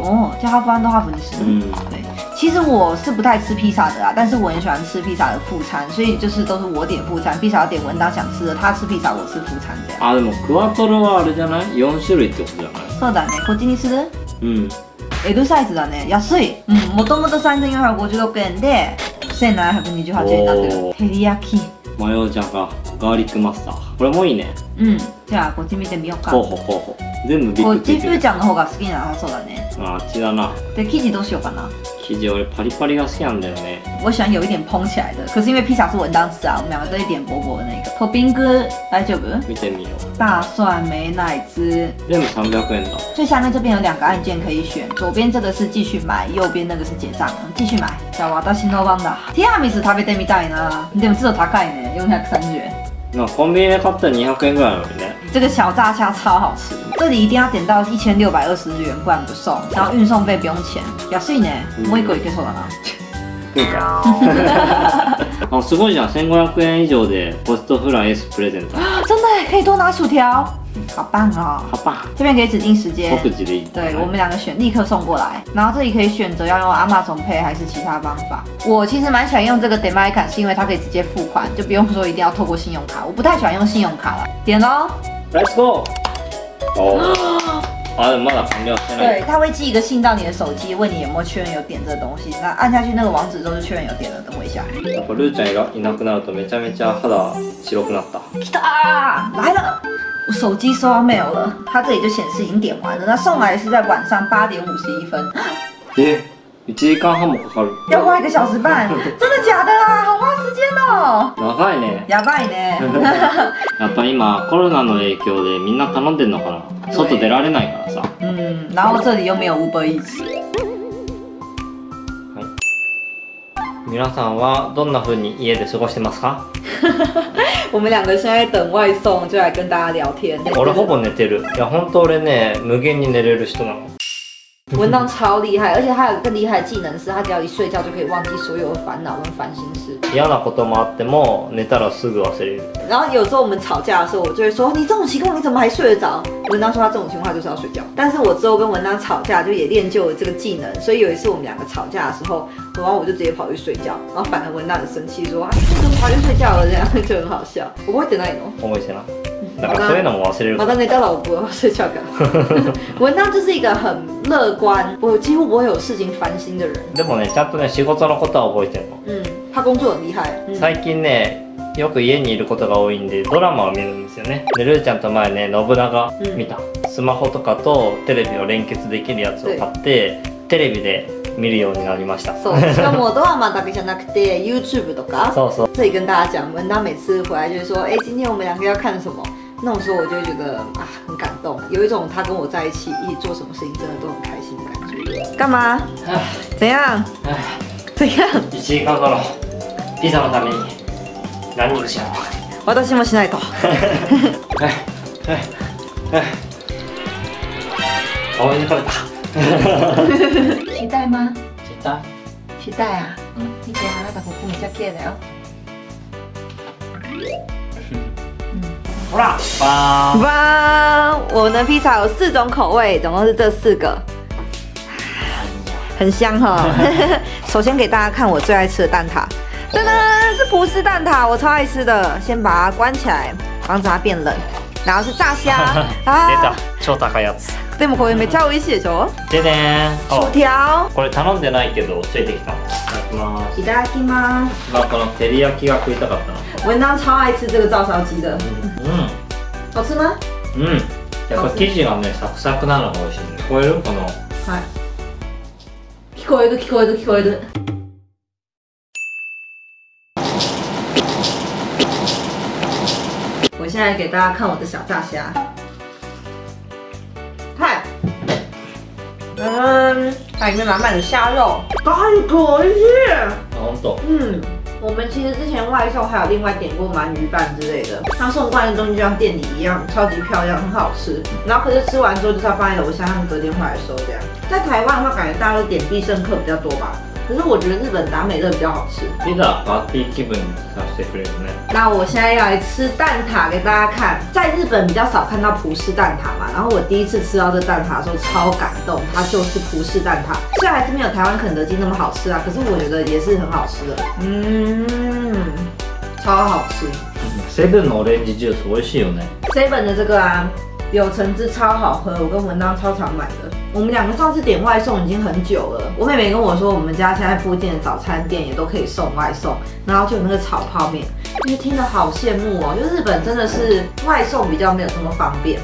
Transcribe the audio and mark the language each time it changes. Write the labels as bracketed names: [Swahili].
[Chinese] 哦，叫 Half and half 你吃。嗯，对。其实我是不太吃披萨的啦，但是我很喜欢吃披萨的副餐，所以就是都是我点副餐，披萨要点文当想吃的，他吃披萨，我吃副餐这样。 [Japanese] 啊，でもクワトロはあれじゃない？四種類ってことじゃない？そうだね。こっちにする？嗯。 L サイズだね、安い。うん、もともと3,456円で1,728円になってる。照り焼き。マヨジャガ、ガーリックマスター。これもいいね。うん。じゃあこっち見てみようか。ほうほうほうほう。全部ビッグ。こっちフーちゃんの方が好きなのそうだね。あっちだな。で生地どうしようかな。生地俺パリパリが好きなんだよね。 [Chinese] 我喜欢有一点蓬起来的。可是因为披萨是文当吃啊，我们两个都一点薄薄的那个。 [Japanese] トッピング大丈夫？見てみよう。 [Chinese] 大蒜、美乃滋。 [Japanese] 全部300円だ。 [Chinese] 最下面这边有两个按键可以选，左边这个是继续买，右边那个是结账。继续买。 [Japanese] じゃあ私の番だ。ティラミス食べてみたいな。でもちょっと高いね、430円。那コンビニで買ったら200円ぐらいなのね。 [Chinese] 这个小炸虾超好吃，这里一定要点到1,620元，不然不送。然后运送费不用钱， [Japanese] 安いね。もう一個いけそうだな。あ、すごいじゃん。 1,500円以上でポストフライエスプレゼント。 [Chinese] 真的可以多拿薯条。好棒哦。好棒。这边可以指定时间。即时的。对，我们两个选，立刻送过来。然后这里可以选择要用 Amazon Pay 还是其他方法。我其实蛮喜欢用这个 Demae Card， 是因为它可以直接付款，就不用说一定要透过信用卡。我不太喜欢用信用卡了。点喽。 [English] Let's go。 [Japanese] 哦。啊，まだ完了。 [Chinese] 对，他会寄一个信到你的手机，问你有没有确认有点这东西。那按下去那个网址之后就确认有点了，等我一下。 [Japanese] やっぱルーちゃんがいなくなるとめちゃめちゃ肌白くなった。来たー， [Chinese] 来了。我手机收到 mail 了，他这里就显示已经点完了。那送来是在晚上8:51。 [Japanese] 耶，1時間半もかかる。 [Chinese] 要花一个小时半。真的假的啊，好花时间哦。 [Japanese] やばいね。やばいね。やっぱ今コロナの影響でみんな頼んでんのかな。外出られないからさ。 [Chinese] 嗯，然后这里又没有Uber Eats。 [Japanese] 皆さんはどんな風に家で過ごしてますか？ [Chinese] 我们两个现在等外送，就来跟大家聊天。 [Japanese] 俺ほぼ寝てる。いや本当俺ね、無限に寝れる人なの。 [Chinese] 文章超厉害，而且他有更厉害的技能是，他只要一睡觉就可以忘记所有的烦恼跟烦心事。 [Japanese] 嫌なこともあっても寝たらすぐ忘れる。 [Chinese] 然后有时候我们吵架的时候，我就会说：“你这种情况你怎么还睡得着？” 文章说他这种情况就是要睡觉。但是我之后跟文章吵架，就也练就了这个技能。所以有一次我们两个吵架的时候，然后我就直接跑去睡觉，然后反而文章很生气说：“啊，你怎么跑去睡觉了？”这样就很好笑。我不会等到你哦。我没钱了。 [Japanese] だからそういうのも忘れる。まだ寝たら覚え忘れちゃうから。 [Chinese] 文章就是一个很乐观，我几乎不会有事情烦心的人。 [Japanese] でもね、ちゃんとね、仕事のことは覚えてるの。 [Chinese] 嗯，他工作很厉害。 [Japanese] 最近ね、よく家にいることが多いんで、ドラマを見るんですよね。で、ルーちゃんと前ね、信長見た。スマホとかとテレビを連結できるやつを買って、テレビで。見るようになりました。そう、しかもドラマだけじゃなくて YouTube とか。そうそう。 [Chinese] 这里跟大家讲，文章每次回来就是说，哎，今天我们两个要看什么？那种时候我就觉得啊，很感动，有一种他跟我在一起，一起做什么事情，真的都很开心的感觉。干嘛？唉，怎样？唉，怎样？ [Japanese] 一時間後のピザのために何をしよう？私もしないと。唉唉唉，お前疲れた。 [Chinese] 期待吗？期待。期待啊！嗯，이제하나더고품이작게돼요。嗯。哇！哇！哇！我的披萨有四种口味，总共是这四个。很香哈！首先给大家看我最爱吃的蛋挞，噔噔，是葡式蛋挞，我超爱吃的。先把它关起来，防止它变冷。然后是炸虾 [Japanese] 啊，超高いやつ。でもこれめっちゃ美味しいでしょ。でね、 [Chinese] 薯条。 [Japanese] これ頼んでないけどついてきた。いただきます。いただきます。この照り焼きが食いたかったの。 [Chinese] 文章超爱吃这个照烧鸡的。うん。好吃吗？うん。 [Japanese] やっぱ生地がねサクサクなのが美味しい。聞こえるこの。はい。聞こえる聞こえる聞こえる。 [Chinese] 我现在给大家看我的小炸虾。嗯，它里面满满的虾肉，太可惜。懂懂。嗯，我们其实之前外送还有另外点过鳗鱼饭之类的，它送过来的东西就像店里一样，超级漂亮，很好吃。然后可是吃完之后就是要放在楼下，他们隔天回来收这样。在台湾的话，感觉大家都点必胜客比较多吧。可是我觉得日本达美乐比较好吃。 [Japanese] ピザパーティー気分させてくれるね。 [Chinese] 那我现在要来吃蛋挞给大家看。在日本比较少看到葡式蛋挞嘛，然后我第一次吃到这蛋挞的时候超感动，它就是葡式蛋挞，虽然还是没有台湾肯德基那么好吃啊，可是我觉得也是很好吃的。嗯，超好吃。 [Japanese] Seven のオレンジジュース美味しいよね。 [Chinese] Seven的这个啊。柳橙汁超好喝，我跟文章超常买的。我们两个上次点外送已经很久了。我妹妹跟我说，我们家现在附近的早餐店也都可以送外送，然后就有那个炒泡面，就是听得好羡慕哦。就日本真的是外送比较没有这么方便。